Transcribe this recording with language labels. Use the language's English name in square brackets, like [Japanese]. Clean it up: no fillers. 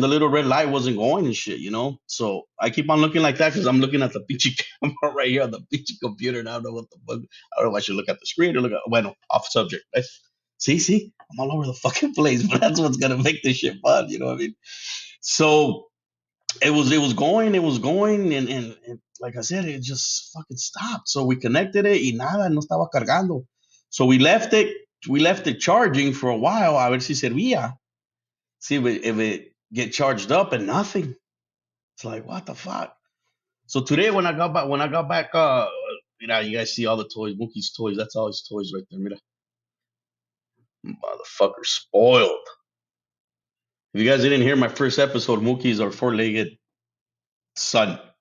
[English] The little red light wasn't going and shit, you know? So I keep on looking like that because I'm looking at the bitchy camera right here on the bitchy computer. And I don't know what the fuck. I don't know if I should look at the screen or look at, bueno, off subject. Right? See? I'm all over the fucking place. But that's what's going to make this shit fun. You know what I mean? So it was going. And like I said, it just fucking stopped. So we connected it, [Spanish] y nada, no estaba cargando. [English] So we left it charging for a while, [Spanish] a ver si servía. [English] See if it get charged up and nothing. It's like, what the fuck? So today when I got back, you know, you guys see all the toys, Mookie's toys, that's all his toys right there, mira. Motherfucker spoiled. If you guys didn't hear my first episode, Mookie's our four-legged son.